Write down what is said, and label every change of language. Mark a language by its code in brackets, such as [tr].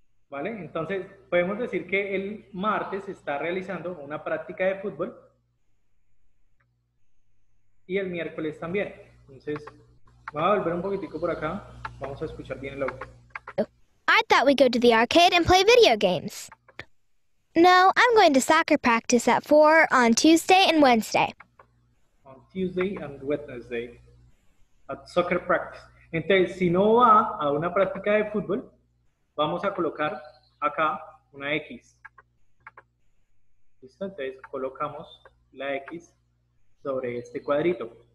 [es] Vale, entonces podemos decir que el martes está realizando una práctica de fútbol y el miércoles también. Entonces, voy a volver un poquitico por acá. Vamos a escuchar bien el audio. [en] I thought we'd go to the arcade and play video games. No, I'm going to soccer practice at 4 on Tuesday and Wednesday. On Tuesday and Wednesday. At soccer practice. [es] Entonces, si no va a una práctica de fútbol, vamos a colocar acá una X. ¿Listo? Entonces, colocamos la X sobre este cuadrito.